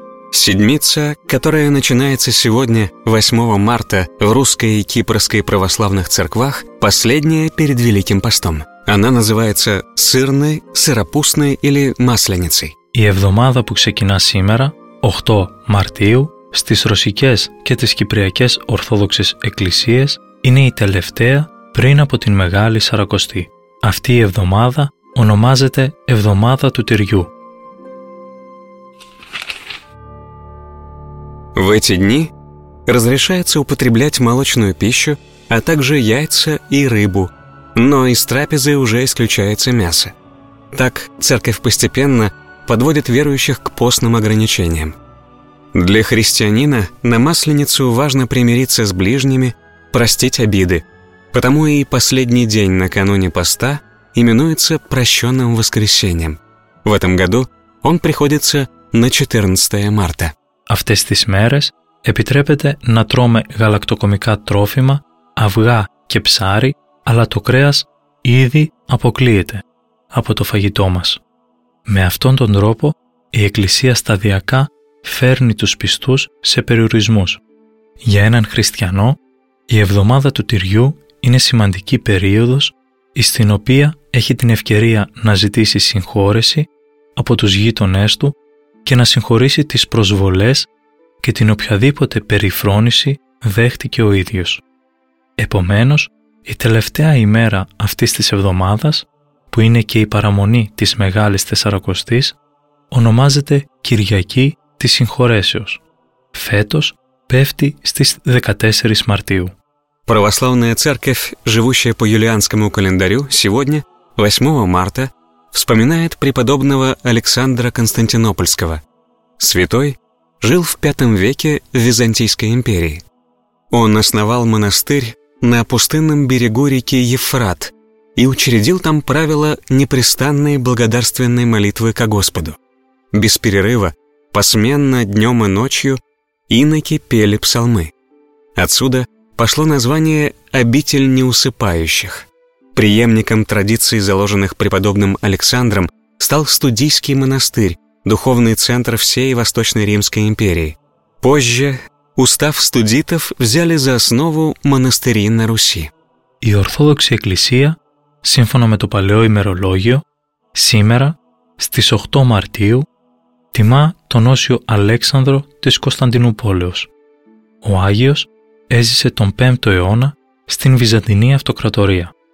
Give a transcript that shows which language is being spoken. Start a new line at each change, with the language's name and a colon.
Russian: Седмица, которая начинается сегодня, 8 марта, в русской и кипрской православных церквах, последняя перед Великим постом. Она называется сырной, сыропустной или масленицей.
Greek: И εβδομάδα που ξεκινά σήμερα, 8 Μαρτίου, στις ρωσικές και τις κυπριακές ορθόδοξες εκκλησίες, είναι η τελευταία πριν από την Μεγάλη Σαρακοστή. Αυτή η εβδομάδα ονομάζεται Εβδομάδα του Τυριού.
Russian: В эти дни разрешается употреблять молочную пищу, а также яйца и рыбу, но из трапезы уже исключается мясо. Так церковь постепенно подводит верующих к постным ограничениям. Для христианина на Масленицу важно примириться с ближними, простить обиды, потому и последний день накануне поста именуется прощенным воскресением. В этом году он приходится на 14 марта.
Greek: Αυτές τις μέρες επιτρέπεται να τρώμε γαλακτοκομικά τρόφιμα, αυγά και ψάρι, αλλά το κρέας ήδη αποκλείεται από το φαγητό μας. Με αυτόν τον τρόπο, η Εκκλησία σταδιακά φέρνει τους πιστούς σε περιορισμούς. Για έναν χριστιανό, η εβδομάδα του τυριού είναι σημαντική περίοδος, στην οποία έχει την ευκαιρία να ζητήσει συγχώρεση από τους γείτονές του και να συγχωρήσει τις προσβολές και την οποιαδήποτε περιφρόνηση δέχτηκε ο ίδιος. Επομένως, η τελευταία ημέρα αυτής της εβδομάδας, που είναι και η παραμονή της Μεγάλης Τεσσαρακοστής, ονομάζεται Κυριακή της Συγχωρέσεως. Φέτος πέφτει στις 14 Μαρτίου.
Russian: Православная церковь, живущая по юлианскому календарю, сегодня, 8 марта, вспоминает преподобного Александра Константинопольского. Святой жил в V веке в Византийской империи. Он основал монастырь на пустынном берегу реки Евфрат и учредил там правила непрестанной благодарственной молитвы ко Господу. Без перерыва, посменно, днем и ночью, иноки пели псалмы. Отсюда пошло название «обитель неусыпающих». Преемником традиций, заложенных преподобным Александром, стал Студийский монастырь, духовный центр всей Восточной Римской империи. Позже устав студитов взяли за основу монастыри на Руси.
Greek: Η Ορθόδοξη Εκκλησία, σύμφωνα με το παλαιό ημερολόγιο, σήμερα, στις 8 Μαρτίου, τιμά τον Όσιο Αλέξανδρο της Κωνσταντινούπολεως. Ο Άγιος έζησε τον 5ο αιώνα στην Βυζαντινή Αυτοκρατορία.